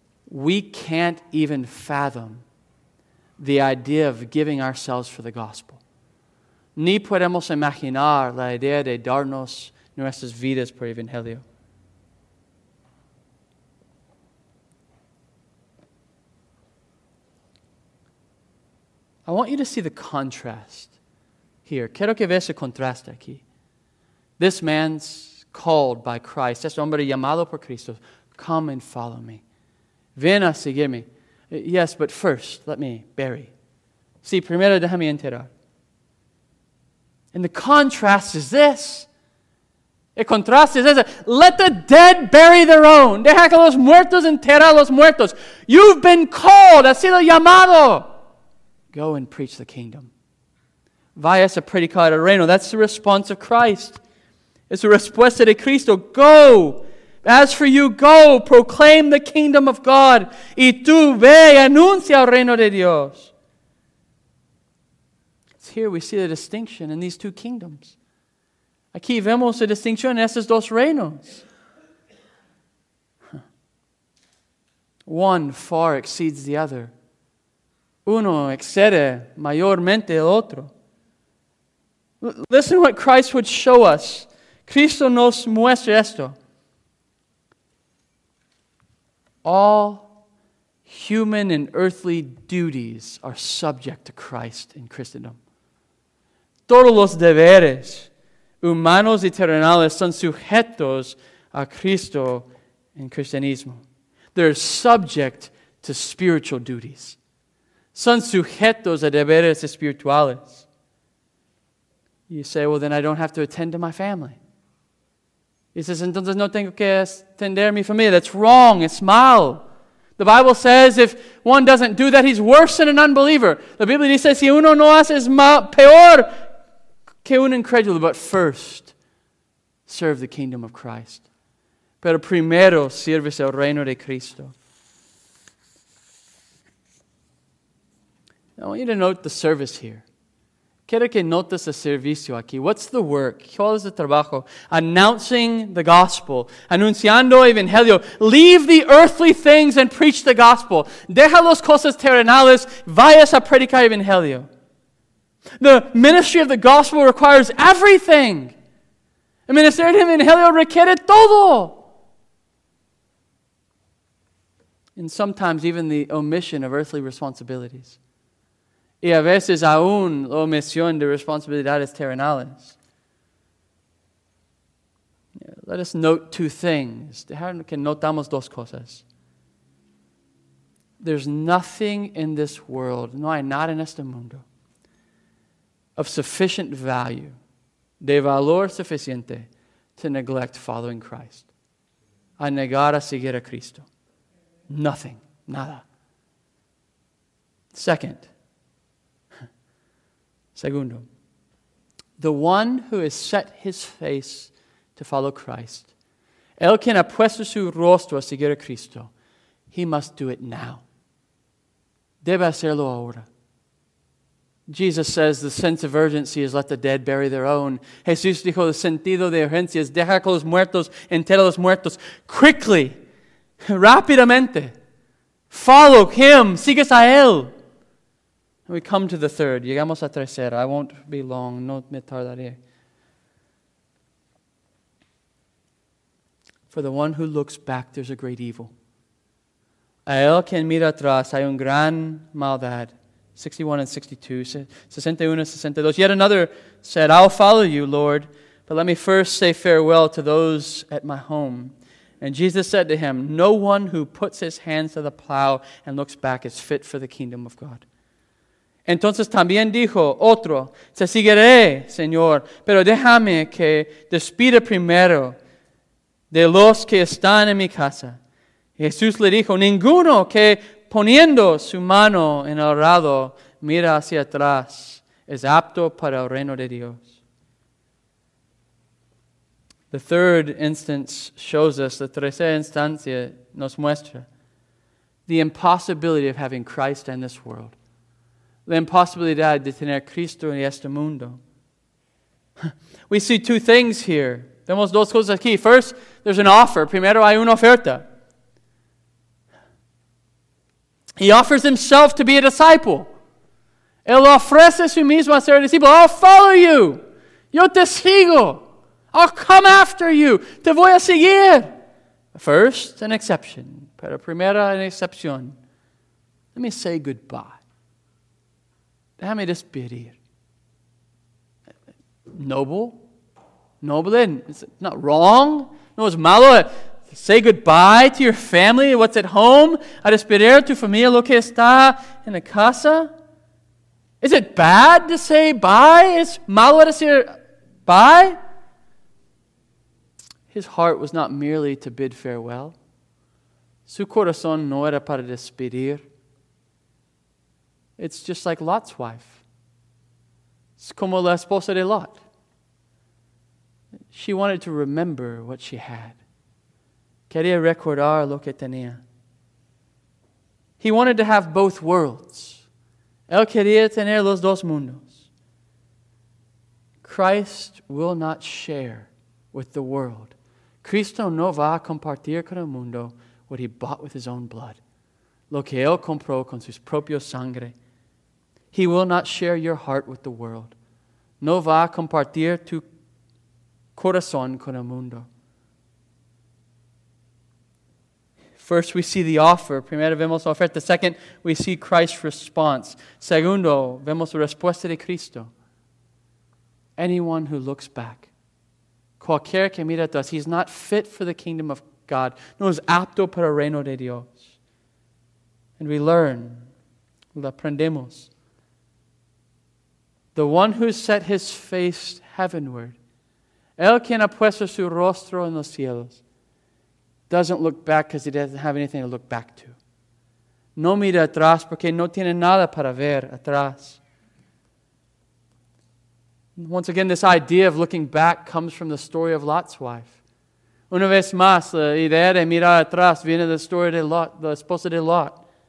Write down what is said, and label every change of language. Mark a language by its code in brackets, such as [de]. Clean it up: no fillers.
[en] We can't even fathom the idea of giving ourselves for the gospel. [es] Ni podemos imaginar la idea de darnos nuestras vidas por el evangelio. [en] I want you to see the contrast here. [es] Quiero que veas el contraste aquí. [en] This man's called by Christ. [es] Este hombre llamado por Cristo. [en] Come and follow me. [es] Ven a seguirme. [en] Yes, but first, let me bury. [es] Sí, primero déjame enterar. [en] And the contrast is this. [es] El contraste es ese. [en] Let the dead bury their own. [es] Deja que los muertos enterren a los muertos. [en] You've been called. [es] Has sido llamado. [en] Go and preach the kingdom. [es] Vaya a predicar el reino. [en] That's the response of Christ. It's the [es] respuesta de Cristo. [en] Go. As for you, go. Proclaim the kingdom of God. [es] Y tú ve, anuncia el reino de Dios. [en] It's here we see the distinction in these two kingdoms. [es] Aquí vemos la distinción en estos dos reinos. [en] One far exceeds the other. [es] Uno excede mayormente el otro. [en] Listen to what Christ would show us. [es] Cristo nos muestra esto. [en] All human and earthly duties are subject to Christ in Christendom. [es] Todos los deberes humanos y terrenales son sujetos a Cristo en cristianismo. [en] They're subject to spiritual duties. [es] Son sujetos a deberes espirituales. [en] You say, well, then I don't have to attend to my family. He says, [es] entonces no tengo que atender mi familia. [en] That's wrong. It's mal. The Bible says if one doesn't do that, he's worse than an unbeliever. [es] La Biblia dice, si uno no hace, es peor que un incrédulo. [en] But first, serve the kingdom of Christ. [es] Pero primero, sirves el reino de Cristo. [en] I want you to note the service here. [es] Quiero que notes el servicio aquí. [en] What's the work? [es] ¿Cuál es el trabajo? [en] Announcing the gospel. [es] Anunciando el evangelio. [en] Leave the earthly things and preach the gospel. [es] Deja las cosas terrenales. Vayas a predicar el evangelio. [en] The ministry of the gospel requires everything. [es] El ministerio del evangelio requiere todo. [en] And sometimes even the omission of earthly responsibilities. [es] Y a veces aún la omisión de responsabilidades terrenales. [en] Let us note two things. [es] Dejar que notamos dos cosas. [en] There's nothing in this world, [es] no hay nada en este mundo, [en] of sufficient value, [es] de valor suficiente, [en] to neglect following Christ. [es] A negar a seguir a Cristo. [en] Nothing. [es] Nada. Segundo, [en] the one who has set his face to follow Christ, [es] el quien ha puesto su rostro a seguir a Cristo, [en] He must do it now. [es] Debe hacerlo ahora. [en] Jesus says the sense of urgency is let the dead bury their own. [es] Jesús dijo, el sentido de urgencia es deja que los muertos enterren los muertos. [en] Quickly, rápidamente, follow him, [es] sigues a él. [en] We come to the third. [es] Llegamos a tercera. [en] I won't be long. No me tardaré. For the one who looks back, there's a great evil. [es] A él quien mira atrás, hay un gran maldad. [en] 61 and 62, 61 and 62. Yet another said, I'll follow you, Lord, but let me first say farewell to those at my home. And Jesus said to him, no one who puts his hands to the plow and looks back is fit for the kingdom of God. [es] Entonces también dijo otro, te seguiré, Señor, pero déjame que despida primero de los que están en mi casa. Jesús le dijo, ninguno que poniendo su mano en el arado, mira hacia atrás, es apto para el reino de Dios. [en] The third instance shows us, [es] la tercera instancia nos muestra, [en] the impossibility of having Christ in this world. [es] La imposibilidad de tener Cristo en este mundo. [en] We see two things here. [es] Vemos dos cosas aquí. [en] First, there's an offer. [es] Primero hay una oferta. [en] He offers himself to be a disciple. [es] Él ofrece su mismo a ser discípulo. [en] I'll follow you. [es] Yo te sigo. [en] I'll come after you. [es] Te voy a seguir. [en] First, an exception. [es] Pero primera, an excepción. [en] Let me say goodbye. [es] Déjame despedir. [en] Noble. Noble. Is it not wrong? [es] No, it's malo. [en] Say goodbye to your family, what's at home. [es] A despedir tu familia, lo que está en la casa. [en] Is it bad to say bye? [es] Is malo decir bye? [en] His heart was not merely to bid farewell. [es] Su corazón no era para despedir. [en] It's just like Lot's wife. [es] Es como la esposa de Lot. [en] She wanted to remember what she had. [es] Quería recordar lo que tenía. [en] He wanted to have both worlds. [es] Él quería tener los dos mundos. [en] Christ will not share with the world. [es] Cristo no va a compartir con el mundo [en] what he bought with his own blood. [es] Lo que él compró con sus propios sangre. [en] He will not share your heart with the world. [es] No va a compartir tu corazón con el mundo. [en] First, we see the offer. [es] Primero, vemos la oferta. [en] Second, we see Christ's response. [es] Segundo, vemos la respuesta de Cristo. [en] Anyone who looks back, [es] cualquier que mira atrás, [en] he's not fit for the kingdom of God, [es] no es apto para el reino de Dios. [en] And we learn, aprendemos, the one who set his face heavenward, [es] el quien ha puesto su rostro en los cielos, [en] doesn't look back because he doesn't have anything to look back to. [es] No mira atrás porque no tiene nada para ver atrás. [en] Once again, this idea of looking back comes from the story of Lot's wife. [es] Una vez más, la idea de mirar atrás viene de la story de Lot, la esposa de Lot.